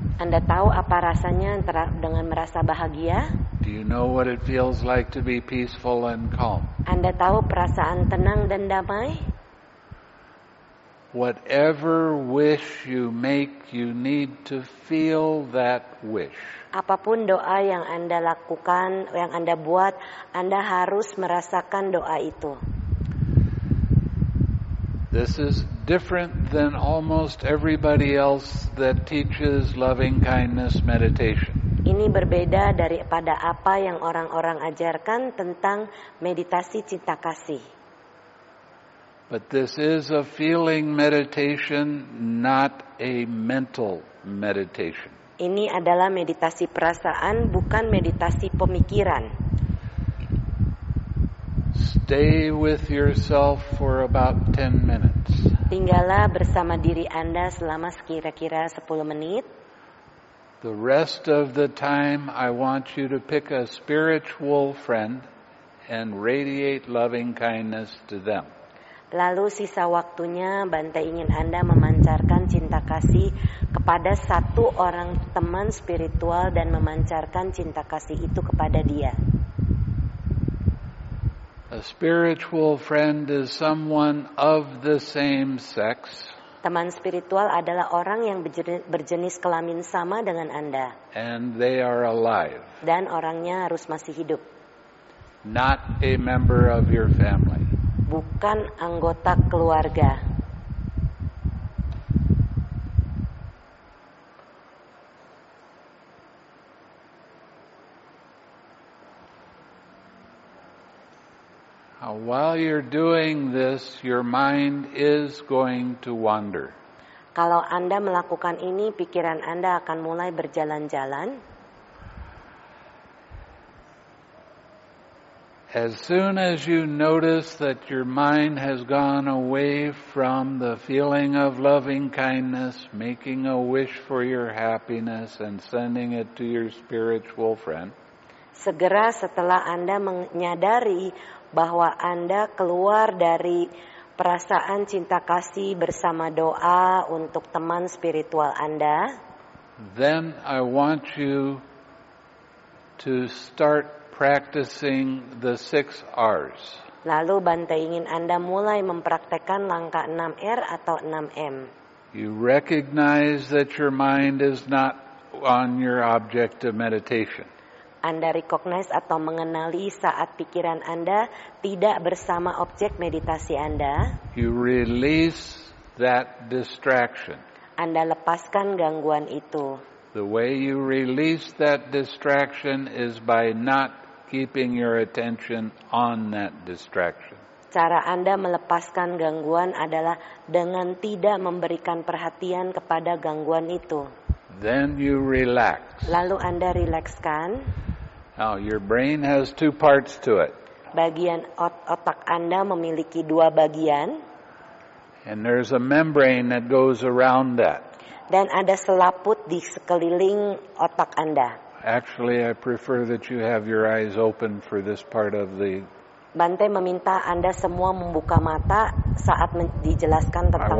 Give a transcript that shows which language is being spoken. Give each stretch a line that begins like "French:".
Indonesian: Anda tahu apa rasanya dengan merasa bahagia?
English: Do you know what it feels like to be peaceful and calm?
Indonesian: Anda tahu perasaan tenang dan damai?
English: Whatever wish you make, you need to feel that wish.
Indonesian: Apapun doa yang Anda lakukan, yang Anda buat, Anda harus merasakan doa itu.
English: This is different than almost everybody else that teaches loving kindness meditation.
Indonesian: Ini berbeda daripada apa yang orang-orang ajarkan tentang meditasi cinta kasih.
English: But this is a feeling meditation, not a mental meditation.
Indonesian: Ini adalah meditasi perasaan, bukan meditasi pemikiran.
English: Stay with yourself for about 10 minutes.
Indonesian: Tinggallah bersama diri Anda selama kira-kira 10 menit.
English: The rest of the time, I want you to pick a spiritual friend and radiate loving kindness to them.
Indonesian: Lalu sisa waktunya Banta ingin Anda memancarkan cinta kasih kepada satu orang teman spiritual dan memancarkan cinta kasih itu kepada dia.
English: A spiritual friend is someone of the same sex.
Indonesian: Teman spiritual adalah orang yang berjenis kelamin sama dengan Anda.
English: And they are alive.
Indonesian: Dan orangnya harus masih hidup.
English: Not a member of your family.
Indonesian: Bukan anggota keluarga.
English: Now, while you're doing this, your mind is going to wander.
Indonesian: Kalau Anda melakukan ini, pikiran Anda akan mulai berjalan-jalan.
English: As soon as you notice that your mind has gone away from the feeling of loving kindness, making a wish for your happiness and sending it to your spiritual friend.
Indonesian: Segera setelah Anda menyadari bahwa Anda keluar dari perasaan cinta kasih bersama doa untuk teman spiritual Anda.
English: Then I want you to start practicing the 6 R's.
Indonesian: Lalu Banta ingin Anda mulai mempraktikkan langkah 6 R atau 6 M.
English: You recognize that your mind is not on your object of meditation.
Indonesian: Anda recognize atau mengenali saat pikiran Anda tidak bersama objek meditasi Anda.
English: You release that distraction.
Indonesian: Anda lepaskan gangguan itu.
English: The way you release that distraction is by not keeping your attention on that distraction.
Indonesian: Cara Anda melepaskan gangguan adalah dengan tidak memberikan perhatian kepada gangguan itu.
English: Then you relax.
Indonesian: Lalu Anda rilekskan.
English: Now your brain has 2 parts to it.
Indonesian: Bagian otak Anda memiliki 2 bagian.
English: And there's a membrane that goes around that.
Indonesian: Dan ada selaput di sekeliling otak Anda.
English: Actually, I prefer that you have your eyes open for this part of the.
Indonesian: Bante meminta Anda semua membuka mata saat dijelaskan tentang hal ini.